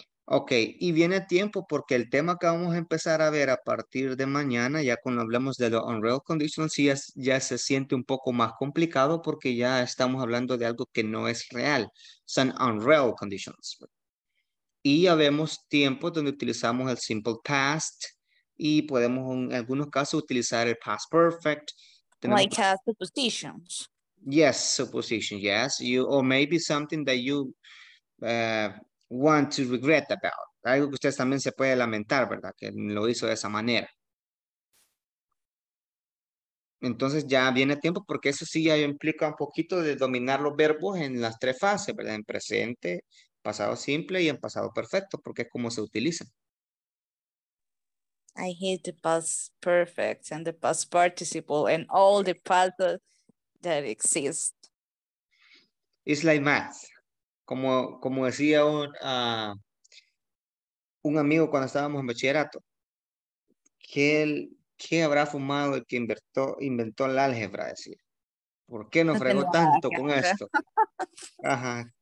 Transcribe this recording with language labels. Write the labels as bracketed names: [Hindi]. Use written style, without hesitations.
[Spanish] Ok, y viene a tiempo porque el tema que vamos a empezar a ver a partir de mañana, ya cuando hablemos de los unreal conditionals, ya se siente un poco más complicado porque ya estamos hablando de algo que no es real. Son unreal conditionals. Y ya vemos tiempos donde utilizamos el simple past, y podemos en algunos casos utilizar el past perfect. Tenemos [English] like suppositions. Yes, supposition, yes. You, or maybe something that you want to regret about. [Spanish] Algo que usted también se puede lamentar, ¿verdad? Que lo hizo de esa manera. Entonces ya viene tiempo porque eso sí ya implica un poquito de dominar los verbos en las tres fases, ¿verdad? En presente, pasado simple y en pasado perfecto porque es como se utilizan. [English] I hate the past perfect and the past participle and all the puzzles that exist. It's like math. [Spanish] Como decía un amigo cuando estábamos en bachillerato, ¿qué habrá fumado el que inventó el álgebra? Decía, ¿por qué nos fregó tanto con esto? Ajá.